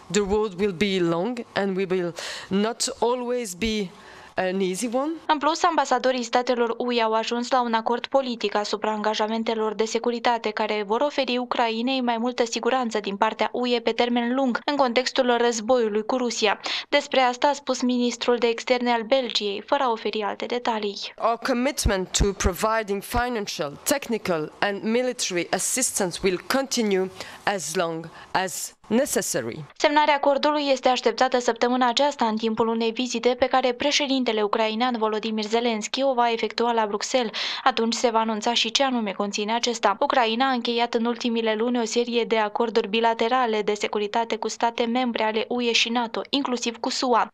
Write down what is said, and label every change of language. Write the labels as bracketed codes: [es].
[en] The road will be long and we will not always be an easy one. [ro] În plus, ambasadorii statelor UE au ajuns la un acord politic asupra angajamentelor de securitate care vor oferi Ucrainei mai multă siguranță din partea UE pe termen lung în contextul războiului cu Rusia. Despre asta a spus ministrul de externe al Belgiei, fără a oferi alte detalii. [en] Our commitment to providing financial, technical and military assistance will continue as long as necessary. [ro] Semnarea acordului este așteptată săptămâna aceasta în timpul unei vizite pe care președintele ucrainean Volodymyr Zelensky o va efectua la Bruxelles. Atunci se va anunța și ce anume conține acesta. Ucraina a încheiat în ultimile luni o serie de acorduri bilaterale de securitate cu state membre ale UE și NATO, inclusiv cu SUA.